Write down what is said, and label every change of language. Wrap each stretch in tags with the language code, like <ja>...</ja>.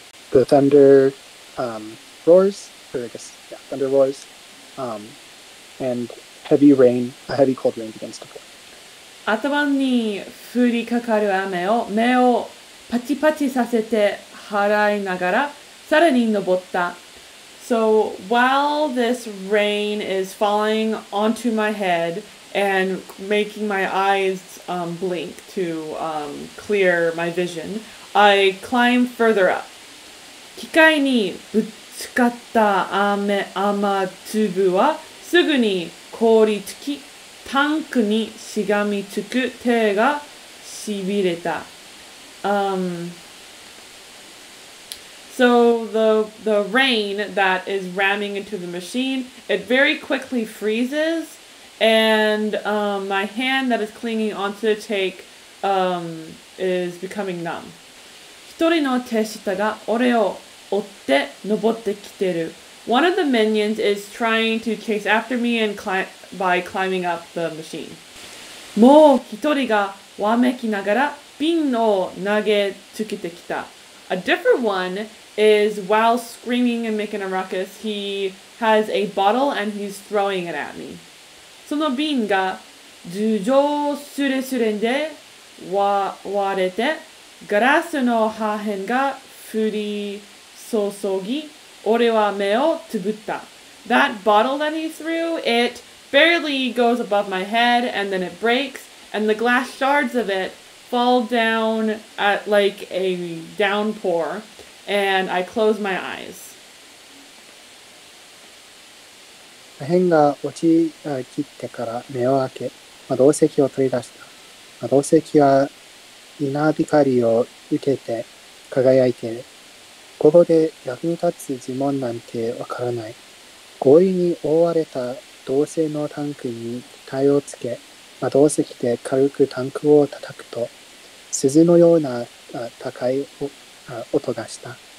<en>The thunder roars, or I guess, yeah, thunder roars, and heavy rain, a heavy cold rain begins to pour.</en> <ja>頭に降りかかる雨を目をパチパチさせて払いながら、さらに登った。</ja> <en>So while this rain is falling onto my head and making my eyes blink to clear my vision, I climb further up.</en> <ja>機械にぶつかった雨粒はすぐに凍りつき、タンクにしがみつく手がしびれた。</ja> <en>So the rain that is ramming into the machine, it very quickly freezes, and my hand that is clinging onto the tank is becoming numb.</en> <ja>一人の手下が俺を追って登ってきてる。</ja> <en>One of the minions is trying to chase after me and by climbing up the machine.</en> <ja>もう一人がわめきながら瓶を投げつけてきた。</ja> <en>A different one is while screaming and making a ruckus, he has a bottle and he's throwing it at me.</en> <ja>その瓶が頭上スレスレで割れて、ガラスの破片が降り注ぎ、俺は目をつぶった。</ja> <en>That bottle that he threw, it barely goes above my head and then it breaks, and the glass shards of it fall down at like a downpour. And I close my eyes.</en> <ja>破片が落ち切ってから目を開け、魔導石を取り出した。魔導石は稲光を受けて輝いている。ここで役に立つ呪文なんてわからない。氷に覆われた銅製のタンクに機体をつけ、魔導石で軽くタンクを叩くと、鈴のような高い音がした。</ja>